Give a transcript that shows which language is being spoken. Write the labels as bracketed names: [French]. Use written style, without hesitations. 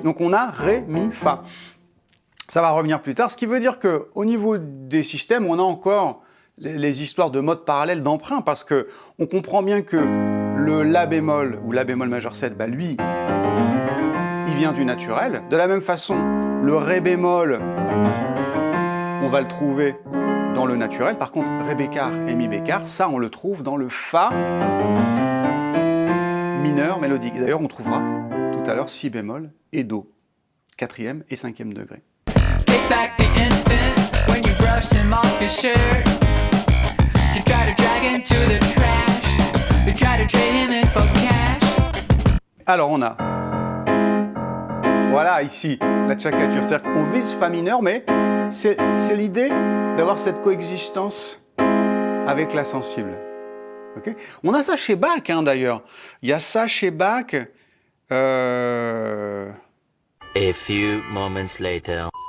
[French] Donc on a Ré, Mi, Fa. Ça va revenir plus tard, ce qui veut dire qu'au niveau des systèmes, on a encore les histoires de modes parallèles d'emprunt, parce qu'on comprend bien que le La bémol ou La bémol majeur 7, bah lui, il vient du naturel. De la même façon, le Ré bémol, on va le trouver dans le naturel. Par contre, Ré bécard et Mi bécard, ça, on le trouve dans le Fa mineur mélodique. Et d'ailleurs, on trouvera tout à l'heure Si bémol et Do, 4e et 5e degré. [English] Take back the instant when you brushed him off your shirt. You try to drag him to the trash. You try to trade him in for cash. [French] Alors on a. Voilà ici la tchacature. C'est-à-dire qu'on vise Fa mineur, mais c'est l'idée d'avoir cette coexistence avec la sensible. Okay, on a ça chez Bach hein, d'ailleurs. Il y a ça chez Bach. [English] A few moments later.